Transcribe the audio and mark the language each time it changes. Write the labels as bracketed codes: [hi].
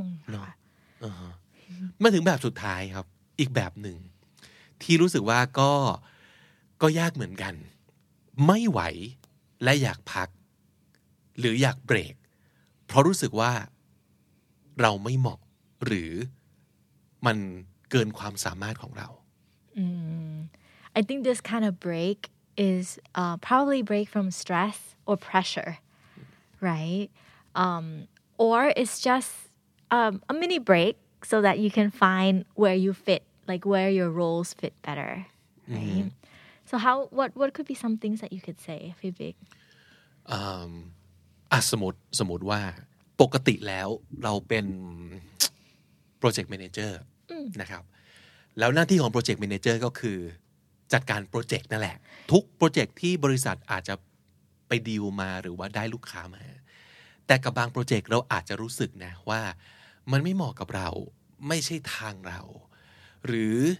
[th] เนาะมาถึงแบบสุดท้ายครับอีกแบบหนึ่งที่รู้สึกว่าก็ยากเหมือนกันไม่ไหวและอยากพักหรืออยากเบรกเพราะรู้สึกว่าเราไม่เหมาะหรือมันเกินความสามารถของเรา [en] I think this kind of break is probably break from stress or pressure, right? Or it's just a mini break so that you can find where you fit, like where your roles fit better, right? Mm-hmm. So how, what could be some things that you could say, Vivek? [th] สมมติว่าปกติแล้วเราเป็น project manager นะครับแล้วหน้าที่ของ project manager ก็คือจัดการโปรเจกต์นั่นแหละทุกโปรเจกต์ที่บริษัทอาจจะไปดีลมาหรือว่าได้ลูกค้ามาแต่กับบางโปรเจกต์เราอาจจะรู้สึกนะว่ามันไม่เหมาะกับเราไม่ใช่ทางเราหรือ